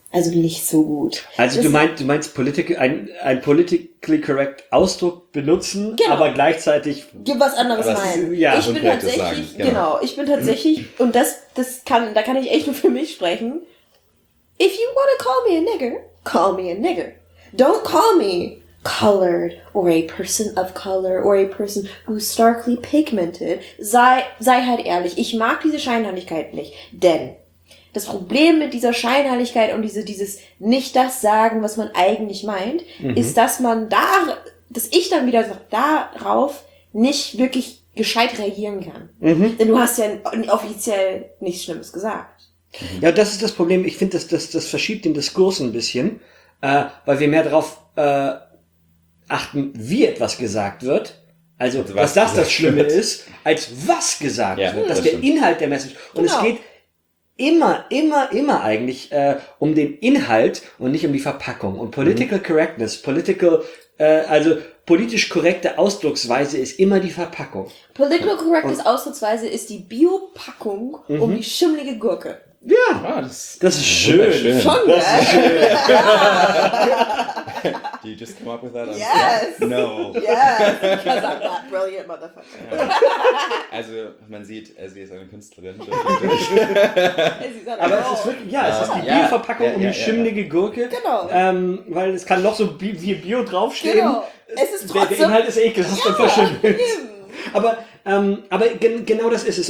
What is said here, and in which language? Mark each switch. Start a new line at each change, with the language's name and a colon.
German: Also nicht so gut. Also du meinst ein politically correct Ausdruck benutzen, genau. Aber gleichzeitig was anderes meinen. Ja, ich bin tatsächlich, genau, ich bin tatsächlich, und da kann ich echt nur für mich sprechen.
English: If you wanna call me a nigger, call me a nigger. Don't call me colored or a person of color or a person who's starkly pigmented.
German: Sei halt ehrlich, ich mag diese Scheinheiligkeit nicht, denn das Problem mit dieser Scheinheiligkeit und dieses nicht das sagen, was man eigentlich meint, ist, dass ich dann wieder darauf nicht wirklich gescheit reagieren kann. Mhm. Denn du hast ja offiziell nichts Schlimmes gesagt. Ja, das ist das Problem. Ich finde, das verschiebt den Diskurs ein bisschen, weil wir mehr darauf achten, wie etwas gesagt wird. Also, was das gesagt. Das Schlimme ist, als was gesagt wird. Das ist der Inhalt der Message. Und genau. Es geht immer eigentlich um den Inhalt und nicht um die Verpackung. Und political correctness, also politisch korrekte Ausdrucksweise ist immer die Verpackung. Political correctness Ausdrucksweise ist die Biopackung um die schimmelige Gurke. Ja, das ist schön. Schon, das ist schön. Ja.
English: Did you just come up with that? Yes. No. Yes, because I'm that brilliant motherfucker.
German: Also, man sieht, sie ist eine Künstlerin. Aber es ist wirklich, ja, es ist die Bio-Verpackung um die schimmelige Gurke. Genau. Weil es kann noch so wie Bio draufstehen. Genau. Es ist trotzdem. Der Inhalt ist ekel, es ist dann verschimmelt. Aber genau das ist es.